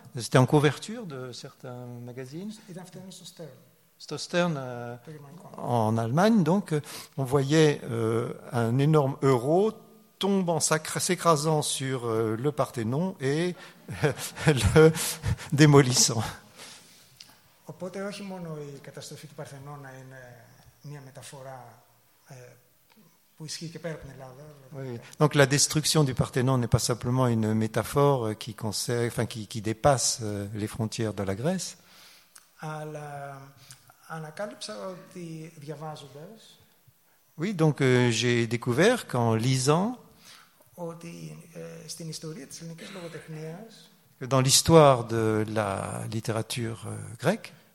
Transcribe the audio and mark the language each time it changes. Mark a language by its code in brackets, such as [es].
[fr] C'était en couverture de certains magazines. Stern, en Allemagne, donc, on voyait un énorme euro tombant, s'écrasant sur le Parthénon et le démolissant. [el] Οπότε, όχι μόνο η καταστροφή του Παρθενώνα είναι μια μεταφορά που ισχύει και πέρα από την Ελλάδα. [fr] Oui. Donc la destruction du Parthénon n'est pas simplement une métaphore qui concerne, enfin qui dépasse les frontières de la Grèce. [el] Αλλά ανακάλυψα ότι διαβάζοντας. [fr] Oui, donc j'ai découvert qu'en lisant. [el] Ότι στην ιστορία της ελληνικής λογοτεχνίας. [fr] Que dans l'histoire de la littérature grecque.